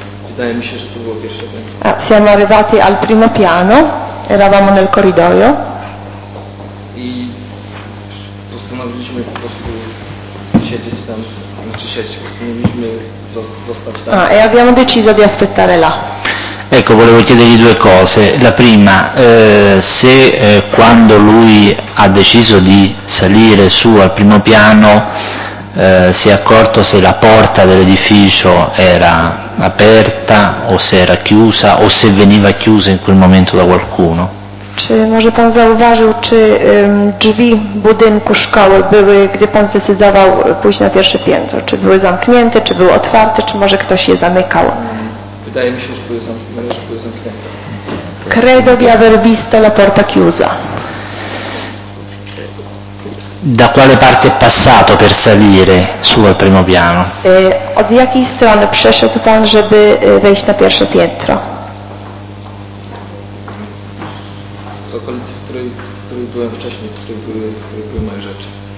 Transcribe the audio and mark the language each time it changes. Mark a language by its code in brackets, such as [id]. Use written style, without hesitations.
[pl] Wydaje mi się, że to było pierwsze piętro. [it] Siamo arrivati al primo piano, eravamo nel corridoio. [pl] I postanowiliśmy po prostu siedzieć tam, znaczy siedzieć, postanowiliśmy zostać tam. [it] E abbiamo deciso di aspettare là. Ecco, volevo chiedergli due cose. La prima, se quando lui ha deciso di salire su al primo piano si è accorto se la porta dell'edificio era aperta o se era chiusa o se veniva chiusa in quel momento da qualcuno. [pl] Czy może pan zauważył, czy drzwi budynku szkoły były, gdy pan zdecydował pójść na pierwsze piętro, czy były zamknięte, czy były otwarte, czy może ktoś je zamykał? Wydaje mi się, że były zamknięte. [it] Credo di aver visto la porta chiusa. Da quale parte è passato per salire su al primo piano? [pl] Od jakiej strony przeszedł pan, żeby wejść na pierwsze piętro? Z okolicy, w której byłem wcześniej, w której były moje rzeczy.